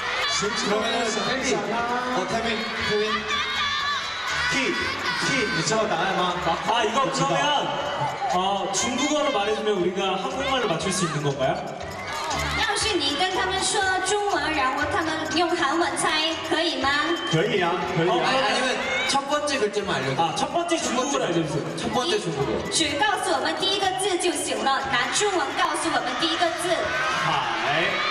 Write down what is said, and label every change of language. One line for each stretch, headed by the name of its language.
Chinese: 行，请问一下，好，泰明，泰明，T，你知道答案吗？啊，一个不知道呀。啊，中国话的话，我们用韩文来翻译可以吗？要是你跟他们说中文，然后他们用韩文猜，可以吗？可以啊，可以啊。啊，你们，
Korean: 첫번째글자만알려주세요。 첫번째중국어를알려주세요。 첫번째중국어。
Chinese: 只告诉我们第一个字就行了，拿中文告诉我们第一个字。海。